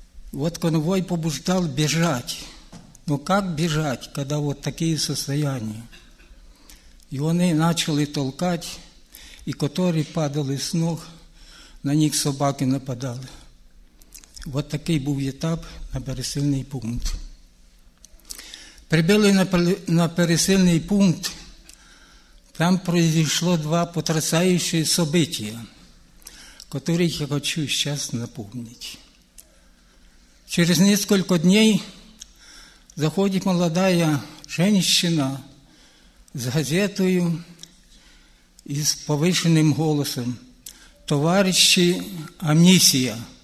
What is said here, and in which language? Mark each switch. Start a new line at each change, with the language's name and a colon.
Russian: Вот конвой побуждал бежать. Но как бежать, когда вот такие состояния? И они начали толкать, и которые падали с ног, на них собаки нападали.
Ukrainian: Вот такий був етап на пересильний пункт. Прибили на пересильний пункт,
Russian: Там произошло два потрясающих события, которые я хочу сейчас напомнить. Через несколько дней заходит молодая женщина с газетой и с повышенным голосом: «Товарищи, амнисия!